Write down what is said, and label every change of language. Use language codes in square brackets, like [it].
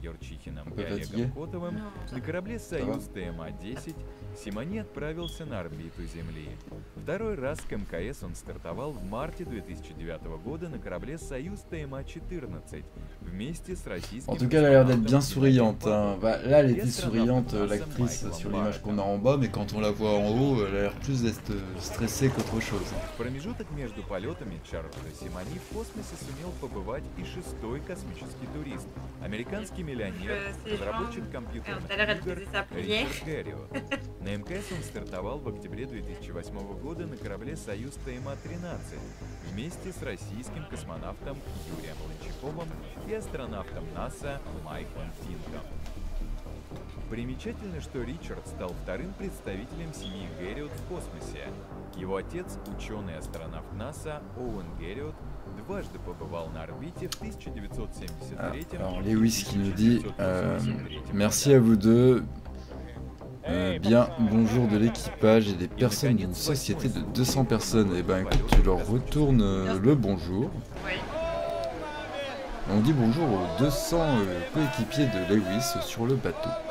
[ru] Юрчихиным и Олегом Котовым на корабле «Союз ТМА-10» Симони отправился на орбиту Земли. Второй раз к МКС он стартовал в марте 2009 года на корабле «Союз ТМА-14» вместе с российским... [fr] En tout cas, elle a l'air d'être bien souriante. Hein. Bah, là, elle était souriante, l'actrice, sur l'image qu'on a en bas, mais quand on la voit en haut, elle a l'air plus d'être stressée qu'autre chose. [ru] угрозы. В промежуток между полетами Чарльза Симони в космосе сумел побывать и шестой космический турист. Американский миллионер, разработчик компьютерных игр Ричард Гэрриот. На МКС он стартовал в октябре 2008 года на корабле «Союз ТМА-13» вместе с российским космонавтом Юрием Ланчаковым и астронавтом НАСА Майклом Финком. Примечательно, что Ричард стал вторым представителем семьи Гэрриот в космосе. Его отец, ученый-астронавт НАСА Оуэн Гэрриот, дважды побывал на орбите в 1973 году. Льюис Ки нам говорит: [fr] «Merci à vous deux. Bien, bonjour de l'équipage et des personnes d'une société de 200 personnes. Et ben, écoute, tu leur retournes le bonjour. On dit bonjour aux 200 coéquipiers de Lewis sur le bateau.